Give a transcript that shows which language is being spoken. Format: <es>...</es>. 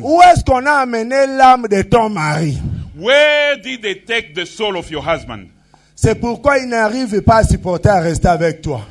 <fr>Où est-ce qu'on a amené l'âme de ton mari?</fr> <en>Where did they take the soul of your husband?</en> <fr>C'est pourquoi il n'arrive pas à supporter à rester avec toi.</fr>